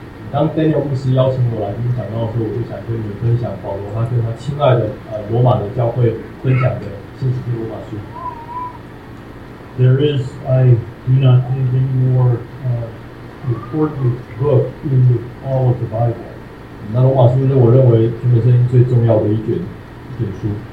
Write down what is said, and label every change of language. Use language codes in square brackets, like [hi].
[zh] 当 Daniel 牧师邀请我来分享到的时候，我就想跟你分享保罗他跟他亲爱的罗马的教会分享的信使徒罗马书。 [en] There is, I do not think, any more important book in all of the Bible. [zh] 那罗马书是我认为全本圣经最重要的一卷书。